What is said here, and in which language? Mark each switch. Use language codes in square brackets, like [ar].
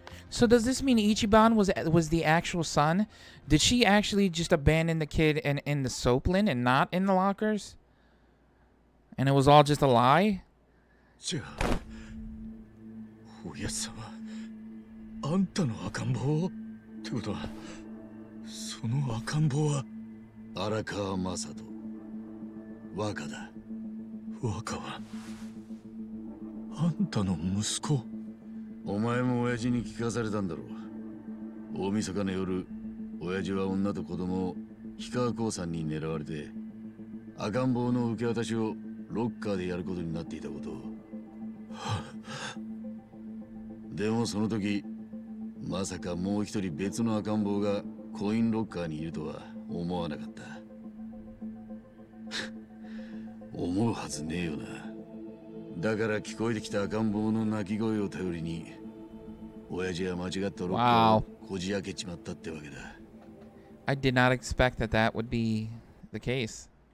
[en] So does this mean Ichiban was the actual son? Did she actually just abandon the kid in the soap lin and not in the lockers? And it was all just a lie? [ja] じゃあ、おやさま、あんたの赤ん坊ってことは、その赤ん坊は荒川雅人、若だ。若は、あんたの息子。お前も親父に聞かされたんだろう。大晦日の夜、親父は女と子供を氷川興産に狙われて、赤ん坊の受け渡しをロッカーでやることになっていたことを。でもその時、まさかもう一人別の赤ん坊がコインロッカーにいるとは思わなかった。思うはずねえよな。だから聞こえてきた赤ん坊の泣き声を頼りに、親父は間違ったロッカーをこじ開けちまったってわけだ。 [en] Wow. I did not expect that that would be the case.